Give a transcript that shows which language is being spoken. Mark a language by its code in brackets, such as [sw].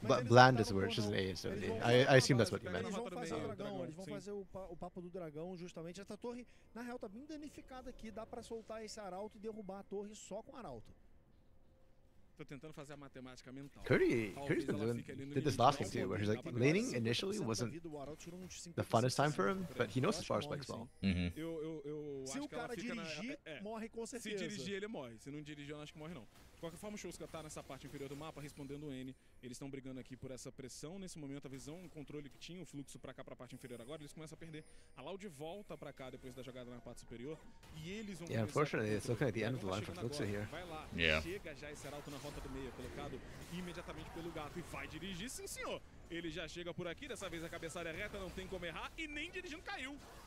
[en] But bland is where it's just an A, so I assume that's what you meant. [pt] Eles vão fazer o dragão, eles vão fazer o papo do dragão, justamente. Essa torre, na real, tá bem danificada aqui. Dá pra soltar esse arauto e derrubar a torre só com o arauto. Tô tentando fazer a matemática mental. [en] Curry's been doing, did this last thing too, where he's like, laning initially wasn't the funnest time for him, but he knows his far spikes well. [pt] Se o cara dirigir, morre com certeza. Se dirigir, ele morre. Se não dirigir, eu acho que morre não. De qualquer forma, o Chuska tá nessa parte inferior do mapa, respondendo o N. Eles estão brigando aqui por essa pressão. Nesse momento, a visão, o controle que tinha, o Fluxo pra cá, pra parte inferior agora, eles começam a perder. A Loud volta pra cá depois da jogada na parte superior. E eles vão começar... [en] unfortunately, it's looking at the end of the line for Fluxo here. [pt] Vai lá, chega já esse arauto na rota do meio, colocado imediatamente pelo gato e vai dirigir, sim senhor. Ele já chega por aqui, dessa vez a cabeçada é reta, não tem como errar e nem dirigindo caiu.